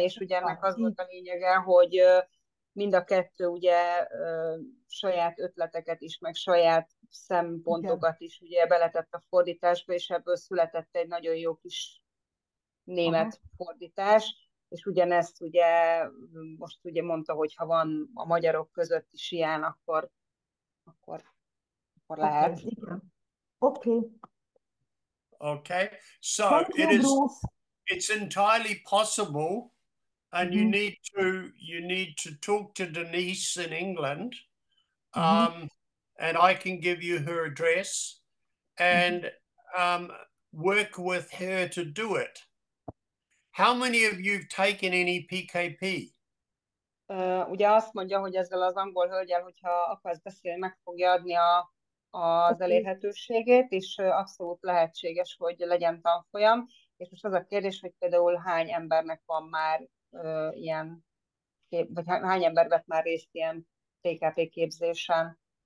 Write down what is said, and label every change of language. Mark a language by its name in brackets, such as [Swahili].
[Hungarian] És ugye ennek az volt a lényege, hogy mind a kettő ugye saját ötleteket is, meg saját szempontokat is ugye beletett a fordításba, és ebből született egy nagyon jó kis német fordítás. És ugyanezt ugye most ugye mondta, hogy ha van a magyarok között is ilyen, akkor lehet. [English] Okay, so it's entirely possible, and you need to talk to Denise in England, and I can give you her address, and work with her to do it. How many of you have taken any PKP? [Hungarian] Ugye azt mondja, hogy ezzel az angol hölgyel, hogyha akarsz beszélni, meg fogja adni az elérhetőségét, és abszolút lehetséges, hogy legyen tanfolyam. És most az a kérdés, hogy például hány embernek van már ilyen, vagy hány ember vett már részt ilyen PKP képzésen?